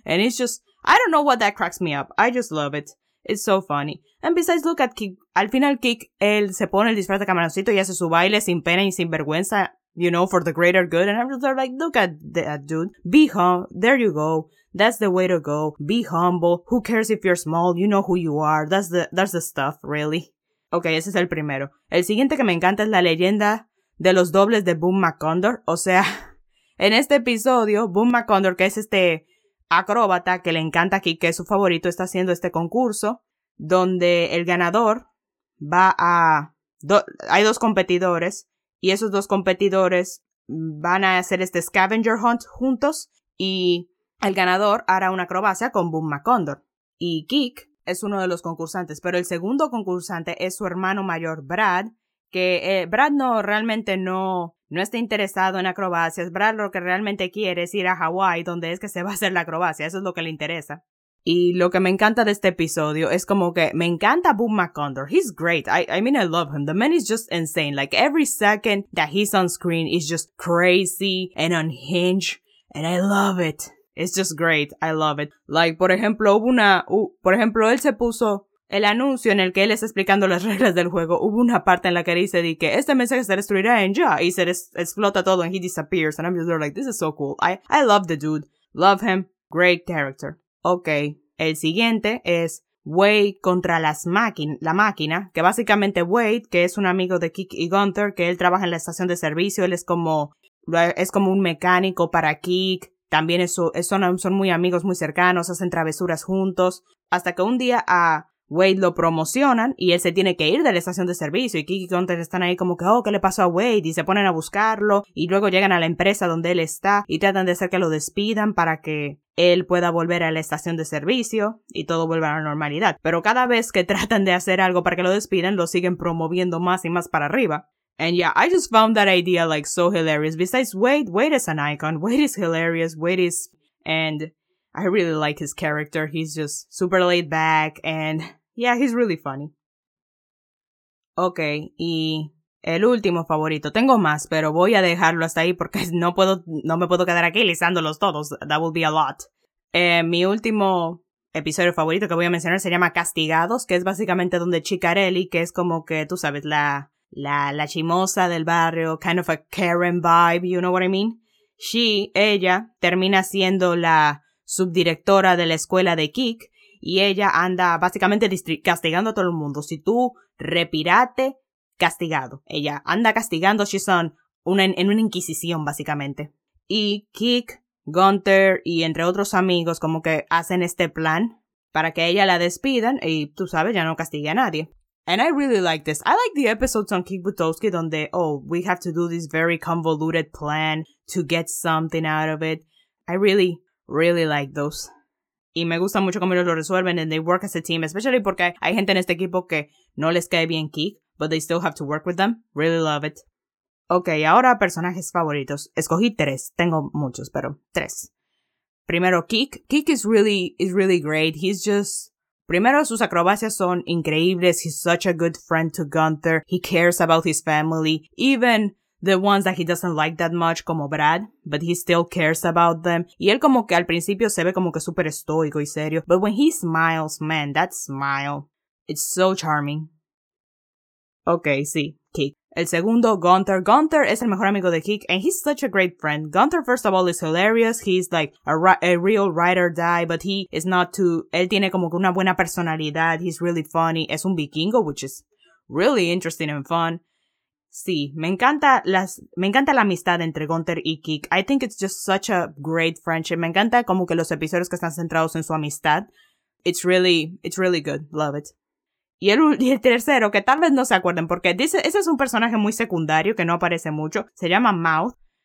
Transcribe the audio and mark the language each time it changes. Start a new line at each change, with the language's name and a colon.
English: And it's just, I don't know what that cracks me up. I just love it. It's so funny. And besides, look at Kik.
Spanish: Al final, Kik, él se pone el disfraz de camaroncito y hace su baile sin pena y sin vergüenza,
English: you know, for the greater good. And I'm just like, look at that dude. Be humble. There you go. That's the way to go. Be humble. Who cares if you're small? You know who you are. That's the stuff, really. Okay,
Spanish: ese es el primero. El siguiente que me encanta es la leyenda de los dobles de Boom McCondor. O sea, en este episodio, Boom McCondor, que es este acróbata que le encanta a Kik, que es su favorito, está haciendo este concurso donde el ganador va a... Hay dos competidores y esos dos competidores van a hacer este
English: scavenger hunt
Spanish: juntos y el ganador hará una acrobacia con Boom McCondor. Y Kik es uno de los concursantes, pero el segundo concursante es su hermano mayor, Brad, que Brad no realmente no está interesado en acrobacias. Brad lo que realmente quiere es ir a Hawái, donde es que se va a hacer la acrobacia. Eso es lo que le interesa. Y lo que me encanta de este episodio es como que me encanta Boom McCondor.
English: He's great. I mean, I love him. The man is just insane. Like, every second that he's on screen is just crazy and unhinged. And I love it. It's just great. I love it.
Spanish: Like, por ejemplo, él se puso... El anuncio en el que él está explicando las reglas del juego, hubo una parte en la que dice de que este mensaje se destruirá en ya, y se explota todo,
English: and he disappears, and I'm just like, this is so cool. I love the dude. Love him. Great character.
Spanish: Okay, el siguiente es Wade contra la máquina, que básicamente Wade, que es un amigo de Kik y Gunther, que él trabaja en la estación de servicio, él es como un mecánico para Kik. También son muy amigos, muy cercanos, hacen travesuras juntos, hasta que un día a Wade lo promocionan y él se tiene que ir de la estación de servicio y Kik y Gunther están ahí como que, oh, ¿qué le pasó a Wade? Y se ponen a buscarlo y luego llegan a la empresa donde él está y tratan de hacer que lo despidan para que él pueda volver a la estación de servicio y todo vuelva a la normalidad. Pero cada vez que tratan de hacer algo para que lo despidan, lo siguen promoviendo más y más para arriba.
English: And yeah, I just found that idea like so hilarious. Besides Wade, Wade is an icon. Wade is hilarious. Wade is... And... I really like his character. He's just super laid back and yeah, he's really funny.
Spanish: Okay, y el último favorito. Tengo más, pero voy a dejarlo hasta ahí porque no me puedo quedar aquí listándolos todos.
English: That would be a lot.
Spanish: Mi último episodio favorito que voy a mencionar se llama Castigados, que es básicamente donde Chicarelli, que es como que, tú sabes, la chimosa del barrio,
English: kind of a Karen vibe, you know what I mean?
Spanish: Ella termina siendo la subdirectora de la escuela de Kik y ella anda básicamente castigando a todo el mundo. Si tú repirate, castigado. Ella anda castigando, en una inquisición básicamente. Y Kik, Gunther y entre otros amigos como que hacen este plan para que ella la despidan y tú sabes, ya no castigue a nadie.
English: And I really like this. I like the episodes on Kik Buttowski donde, oh, we have to do this very convoluted plan to get something out of it. I really... really like those.
Spanish: Y me gusta mucho cómo ellos lo resuelven
English: and they work as a team, especially
Spanish: porque hay gente en este equipo que no les cae bien Kik,
English: but they still have to work with them. Really love it.
Spanish: Okay, ahora personajes favoritos. Escogí tres. Tengo muchos, pero tres. Primero, Kik.
English: Kik is really great. He's just...
Spanish: Primero, sus acrobacias son increíbles.
English: He's such a good friend to Gunther. He cares about his family. Even... the ones that he doesn't like that much, como Brad, but he still cares about them.
Spanish: Y él como que al principio se ve como que súper estoico y serio.
English: But when he smiles, man, that smile, it's so charming.
Spanish: Okay, sí, Kik. El segundo, Gunther. Gunther es el mejor amigo de Kik,
English: and he's such a great friend. Gunther, first of all, is hilarious. He's like a real ride or die, but he is not too...
Spanish: Él tiene como que una buena personalidad.
English: He's really funny.
Spanish: Es un vikingo,
English: which is really interesting and fun.
Spanish: Sí, me encanta la amistad entre Gunther y Kik.
English: I think it's just such a great friendship.
Spanish: Me encanta como que los episodios que están centrados en su amistad.
English: It's really good. Love it.
Spanish: Y el tercero, que tal vez no se acuerden, porque dice, ese es un personaje muy secundario que no aparece mucho. Se llama Mouth.